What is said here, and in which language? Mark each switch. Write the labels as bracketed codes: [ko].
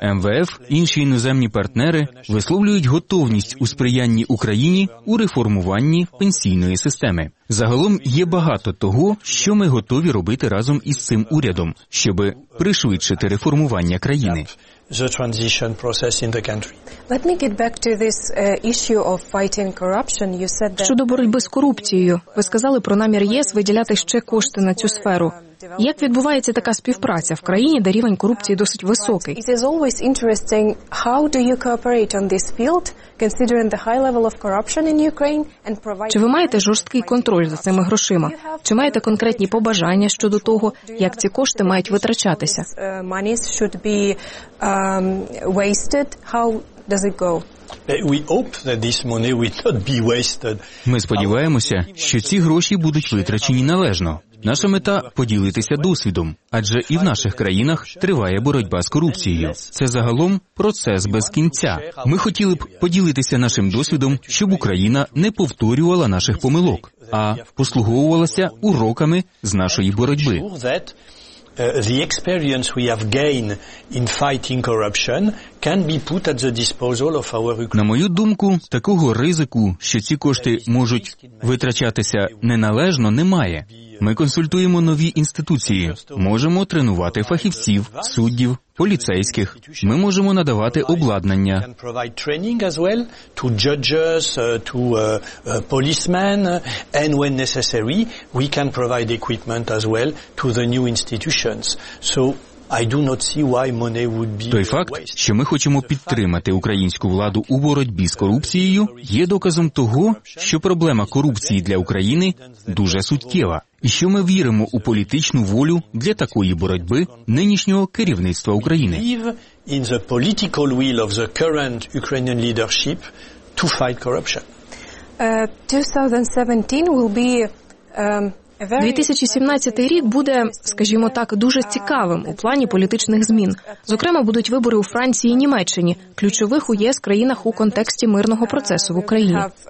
[uk] МВФ, інші іноземні партнери висловлюють готовність у сприянні Україні у реформуванні пенсійної системи. Загалом є багато того, що ми готові робити разом із цим урядом, щоби пришвидшити реформування країни. [en] the transition process in the country. Let me get back to this issue of fighting corruption. You said that. [uk] Щодо боротьби з корупцією, ви сказали про намір ЄС виділяти ще кошти на цю сферу. Як відбувається така співпраця в країні, де рівень корупції досить високий? [en] It is always interesting how do you cooperate on this field, considering the high level of corruption in Ukraine and provide. [uk] Чи ви маєте жорсткий контроль за цими грошима? Чи маєте конкретні побажання щодо того, як ці кошти мають витрачатися? [en] Monies should be wasted. How does it go? We hope that this money will not be wasted. [uk] Ми сподіваємося, що ці гроші будуть витрачені належно. Наша мета – поділитися досвідом, адже і в наших країнах триває боротьба з корупцією. Це загалом процес без кінця. Ми хотіли б поділитися нашим досвідом, щоб Україна не повторювала наших помилок, а послуговувалася уроками з нашої боротьби. [en] The experience we have gained in fighting corruption can be put at the disposal of our. [uk] На мою думку, такого ризику, що ці кошти можуть витрачатися неналежно, немає. Ми консультуємо нові інституції, можемо тренувати фахівців, суддів, поліцейських. Ми можемо надавати обладнання. [en] Provide training as well to judges, to policemen, and when necessary, we can provide equipment as well to the new institutions. So I do not see why money would be. [uk] Той факт, що ми хочемо підтримати українську владу у боротьбі з корупцією, є доказом того, що проблема корупції для України дуже суттєва. І що ми віримо у політичну волю для такої боротьби нинішнього керівництва України. [en] In the political will of the current Ukrainian leadership to fight corruption. 2017 will be [uk] 2017 рік буде, скажімо так, дуже цікавим у плані політичних змін. Зокрема, будуть вибори у Франції і Німеччині, ключових у ЄС країнах у контексті мирного процесу в Україні.